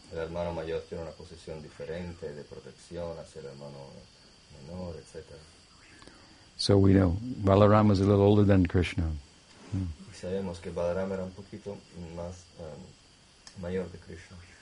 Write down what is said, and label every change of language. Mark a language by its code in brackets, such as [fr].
[es] El hermano mayor tiene una posición diferente de protección hacia el hermano menor, etc. [en] So we know Balaram is a little older than Krishna. [es] Y sabemos que Balaram era un poquito más mayor de Krishna.